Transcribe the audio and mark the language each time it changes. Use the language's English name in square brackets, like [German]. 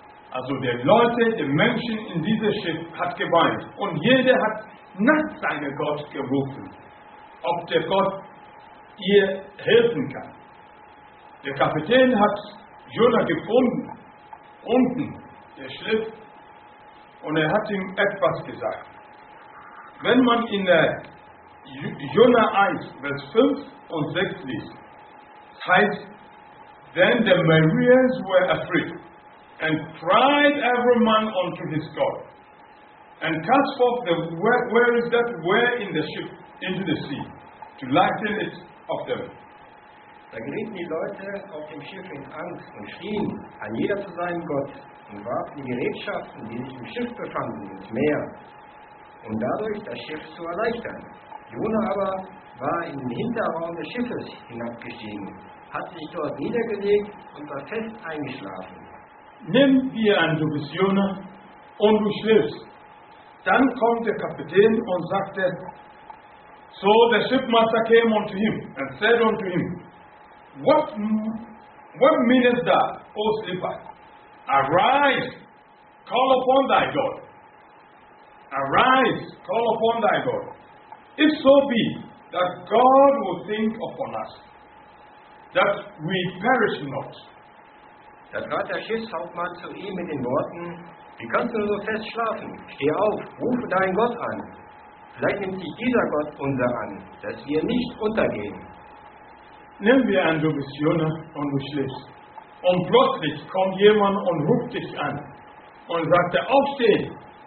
[German] Also die Leute, die Menschen in diesem Schiff hat geweint und jeder hat nach seinem Gott gerufen, ob der Gott ihr helfen kann. Der Kapitän hat Jonah gefunden, unten der Schiff, und er hat ihm etwas gesagt. Wenn man in Jonah 1, Vers 5 und 6 liest, heißt, [English] then the Marines were afraid, and cried every man unto his God, and cast forth the wares that were in the ship into the sea, to lighten it of them. [German] Da gerieten die Leute auf dem Schiff in Angst und schrien an jeder zu seinem Gott und warfen die Gerätschaften, die sich im Schiff befanden, ins Meer, um dadurch das Schiff zu erleichtern. Jona aber war in den Hinterraum des Schiffes hinabgestiegen, hat sich dort niedergelegt und war fest eingeschlafen. Nimm dir an, du bist Jona und du schläfst. Dann kommt der Kapitän und sagte, [English] so the shipmaster came unto him and said unto him, What meanest thou, O sleeper? Arise, call upon thy God. Arise, call upon thy God. If so be that God will think upon us, that we perish not. [German] Da trat der Schiffshauptmann zu ihm mit den Worten, wie kannst du nur fest schlafen? Steh auf, rufe deinen Gott an. Vielleicht nimmt sich dieser Gott unser an, dass wir nicht untergehen. Nimm wir an, du bist Jonah und du schläfst. Und plötzlich kommt jemand und ruft dich an und sagt, aufstehen.